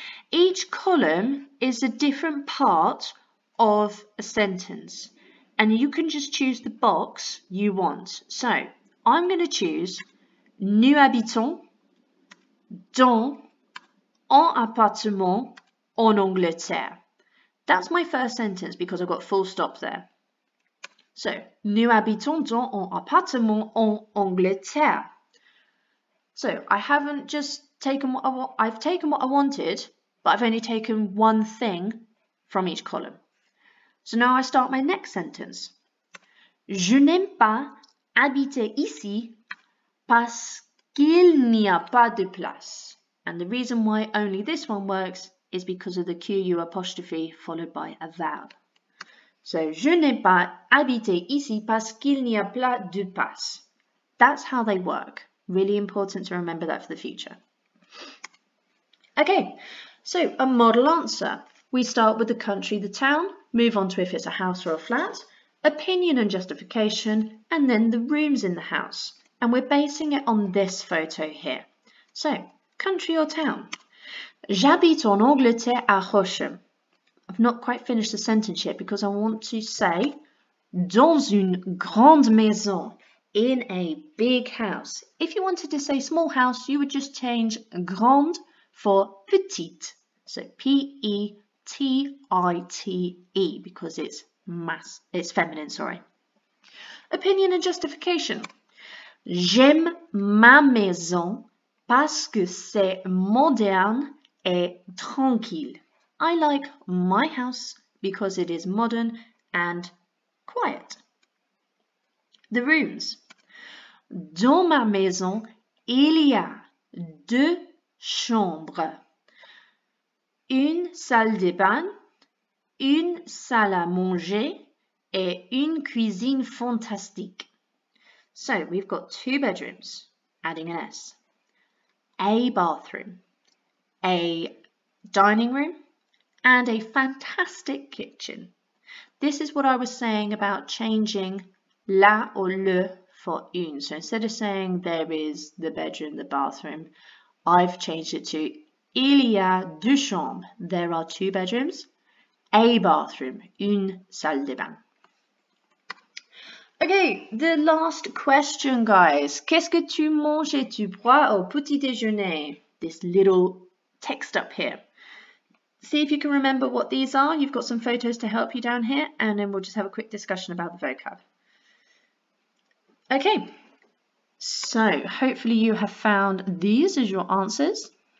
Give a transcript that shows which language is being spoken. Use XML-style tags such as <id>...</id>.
<en>Each column is a different part of a sentence and you can just choose the box you want. So I'm going to choose</en> <fr>nous habitons dans un appartement en Angleterre.</fr> <en>That's my first sentence because I've got full stop there.</en> <fr>So nous habitons dans un appartement en Angleterre.</fr> <en>So I haven't just taken what I've taken what I wanted, but I've only taken one thing from each column. So now I start my next sentence.</en> <fr>Je n'aime pas habiter ici parce qu'il n'y a pas de place.</fr> <en>And the reason why only this one works is because of the QU apostrophe followed by a vowel.</en> <fr>So, je n'ai pas habité ici parce qu'il n'y a pas de passe.</fr> <en>That's how they work. Really important to remember that for the future. Okay, so a model answer. We start with the country, the town, move on to if it's a house or a flat, opinion and justification, and then the rooms in the house. And we're basing it on this photo here. So, country or town?</en> <fr>J'habite en Angleterre à Horsham.</fr> <en>I've not quite finished the sentence yet because I want to say</en> <fr>dans une grande maison,</fr> <en>in a big house. If you wanted to say small house, you would just change grande for petite. So P-E-T-I-T-E because it's feminine, sorry. Opinion and justification.</en> <fr>J'aime ma maison parce que c'est moderne et tranquille.</fr> <en>I like my house because it is modern and quiet. The rooms.</en> <fr>Dans ma maison, il y a deux chambres. Une salle de bain, une salle à manger et une cuisine fantastique.</fr> <en>So, we've got two bedrooms, adding an S. A bathroom, a dining room, and a fantastic kitchen. This is what I was saying about changing la or le for une. So instead of saying there is the bedroom, the bathroom, I've changed it to</en> <fr>il y a deux chambres.</fr> <en>There are two bedrooms, a bathroom,</en> <fr>une salle de bain.</fr> <en>Okay, the last question, guys.</en> <fr>Qu'est-ce que tu manges et tu bois au petit déjeuner?</fr> <en>This little text up here. See if you can remember what these are. You've got some photos to help you down here, and then we'll just have a quick discussion about the vocab. Okay, so hopefully you have found these as your answers.</en>